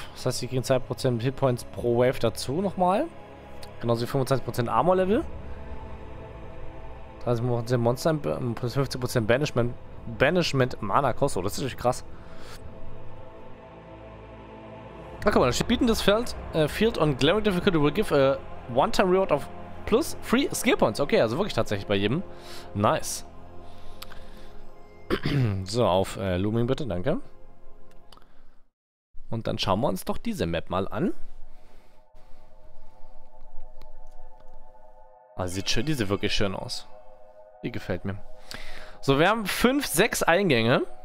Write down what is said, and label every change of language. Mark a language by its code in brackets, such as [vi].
[de] Das heißt, ich kriege 2% Hitpoints pro Wave dazu nochmal. Genauso wie 25% Armor Level. 30% Monster plus 50% Banishment Mana Cost. Oh, das ist natürlich krass. Na, guck mal, sie bieten das Feld. [en] Field on Glaring Difficulty will give a one-time reward of plus 3 Skill Points. [de] Okay, also wirklich tatsächlich bei jedem. Nice. So, auf Looming bitte, danke. Und dann schauen wir uns doch diese Map mal an. Also sieht schön, die sieht wirklich schön aus. Die gefällt mir. So, wir haben 5, 6 Eingänge.